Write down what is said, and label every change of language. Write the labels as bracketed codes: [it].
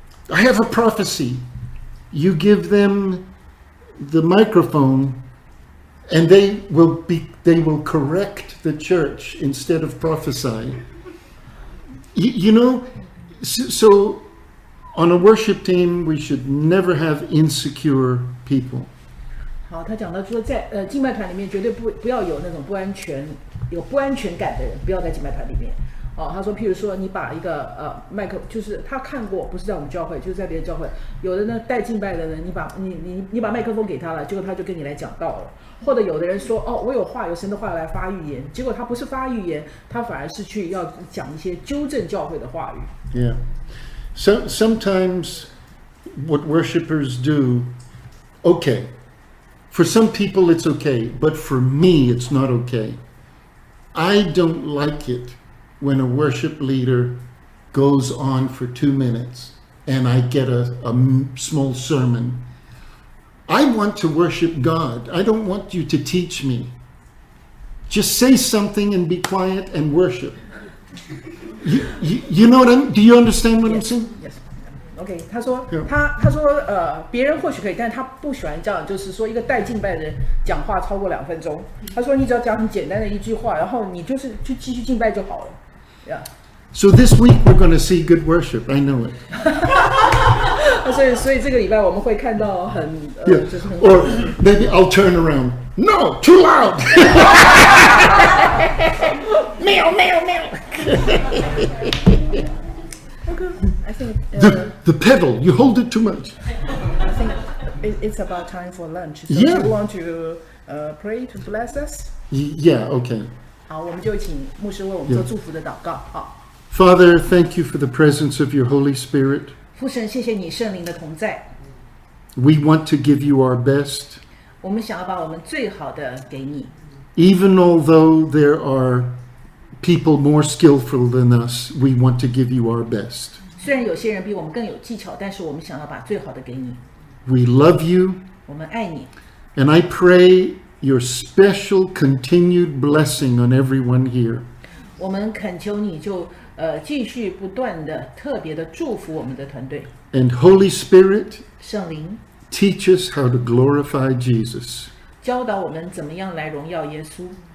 [en] I have a prophecy. You give them the microphone and they will correct the church instead of prophesy. You know? So, on a worship team, we should never have insecure people. [zh] 好，他讲到说，在敬拜团里面绝对不要有那种不安全感的人，不要在敬拜团里面。哦，他说，譬如说，你把一个麦克，就是他看过，不是在我们教会，就是在别的教会，有的呢带敬拜的人，你把麦克风给他了，结果他就跟你来讲道了。或者有的人说，哦，我有话，有神的话来发预言，结果他不是发预言，他反而是去要讲一些纠正教会的话语。 [en] Yeah. So sometimes what worshipers do, okay. For some people it's okay, but for me it's not okay. I don't like it when a worship leader goes on for 2 minutes and I get a small sermon. I want to worship God. I don't want you to teach me. Just say something and be quiet and worship. You know what I'm, do you understand what yes, I'm saying? Yes. Okay. [zh] 他说、 [en] yeah. [zh] 他说别人或许可以，但他不喜欢这样，就是说一个带敬拜的人讲话超过两分钟。他说你只要讲很简单的一句话，然后你就是去继续敬拜就好了。 [en] Yeah. So this week we're going to see good worship. I know it. [zh] 所以这个礼拜我们会看到很、 [en] yeah. [zh] 就是很。 [en] Or maybe I'll turn around. No, too loud. [zh] 没有没有没有。 [en] Okay, I think the pedal, you hold it too much. I think it's about time for lunch. So yeah. Do you want to pray to bless us? Yeah, okay. [zh] 好，我们就请牧师为我们做祝福的祷告。好。 [en] Father, thank you for the presence of your Holy Spirit. [zh] 父神，谢谢你圣灵的同在。 [en] We want to give you our best. [zh] 我们想要把我们最好的给你。 [en] Even although there are people more skillful than us, we want to give you our best. [zh] 虽然有些人比我们更有技巧，但是我们想要把最好的给你。 [en] We love you. [zh] 我们爱你。 [en] And I pray your special continued blessing on everyone here. [zh] 我们恳求你就继续不断的特别的祝福我们的团队。 [en] And Holy Spirit, [zh] 圣灵 [en] teach us how to glorify Jesus. [zh] 教导我们怎么样来荣耀耶稣。